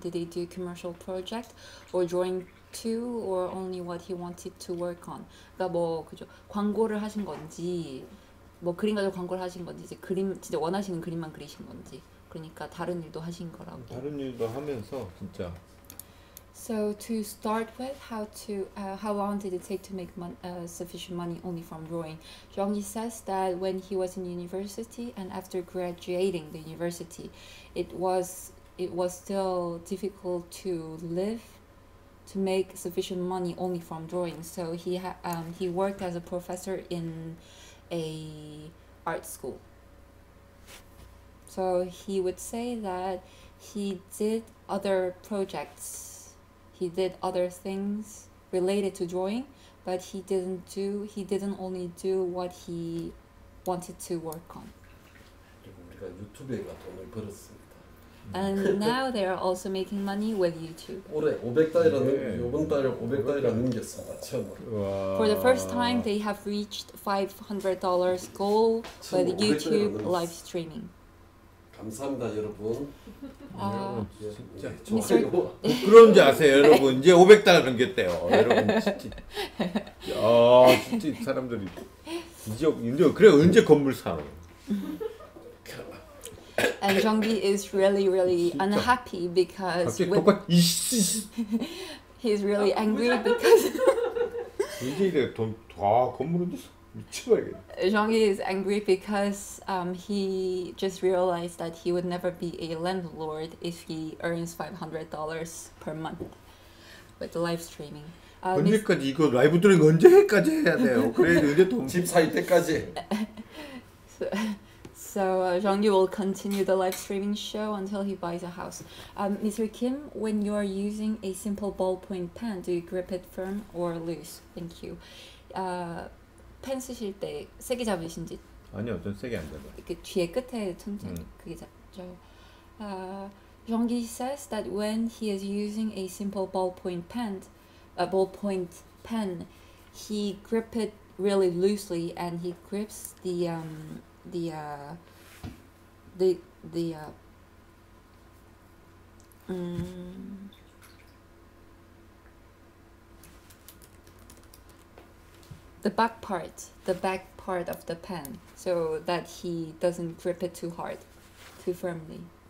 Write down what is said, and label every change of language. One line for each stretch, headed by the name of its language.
English: Did he do commercial project or drawing too or only what he wanted to work on?
Korean: 그러니까 뭐 그죠 광고를 하신 건지 뭐 그림 가지고 광고를 하신 건지 이제 그림 진짜 원하시는 그림만 그리신 건지 그러니까 다른 일도 하신 거라고. 다른 일도 하면서 진짜.
English: So to start with, how long did it take to make sufficient money only from drawing? Jeonggi says that when he was in university and after graduating the university, it was still difficult to live, to make sufficient money only from drawing. So he worked as a professor in a art school. So he would say that he did other projects. He did other things related to drawing, but he didn't only do what he wanted to work on.
Korean: 우리가 유튜브에가 돈을 벌었습니다.
English: And now they are also making money with YouTube.
Korean: 올해 500달러는 이번 달에 500달러 넘겼어요, 처음으로.
English: For the first time, they have reached $500 goal with YouTube live streaming.
Korean: 감사합니다, 여러분. 아, 진짜 좋아요. 부끄러운 줄 아세요, 여러분. 이제 500달러 넘겼대요, 여러분. 진짜. 아, 진짜 사람들이 이제 그래 언제 건물 사노?
English: And Jeonggi is really, really unhappy because.
Korean: 갑자기 똑같이.
English: He's really angry because.
Korean: 이제 이래 돈 다 건물 언제 사?
English: Jeonggi is angry because he just realized that he would never be a landlord if he earns $500 per month with live streaming.
Korean: 언제까지 이거 라이브 들은 거 언제까지 해야 돼요? 그래야 언제 돈 집 살 때까지.
English: So Jeonggi will continue the live streaming show until he buys a house. Mr. Kim, when you are using a simple ballpoint pen, do you grip it firm or loose? Thank you.
Korean: 펜 쓰실 때 세게 잡으신지? 아니요, 전 세게 안 잡아요. 그 뒤에 끝에 통장 그게 잡죠.
English: Jeonggi says that when he is using a simple ballpoint pen, a ballpoint pen, he grips it really loosely and he grips the back part of the pen, so that he doesn't grip it too hard, too firmly.